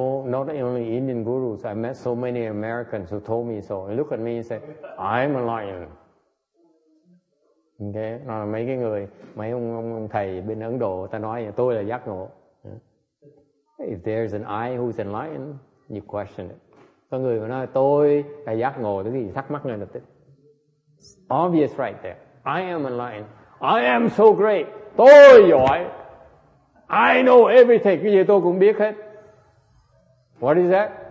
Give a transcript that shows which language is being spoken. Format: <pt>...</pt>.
<en>Not only Indian gurus, I met so many Americans who told me so. They look at me and say, I'm a lion. Okay.</en> <vi>Nó là mấy cái người, mấy ông thầy bên Ấn Độ, ta nói tôi là giác ngộ.</vi> <en>If there's an I who's enlightened, you question it.</en> <vi>Có người mà nói tôi là giác ngộ, cái gì thắc mắc ngay lập tức.</vi> <en>Obvious right there. I am enlightened. I am so great.</en> <vi>Tôi giỏi.</vi> <en>I know everything.</en> <vi>Cái gì tôi cũng biết hết.</vi> <en>What is that?</en>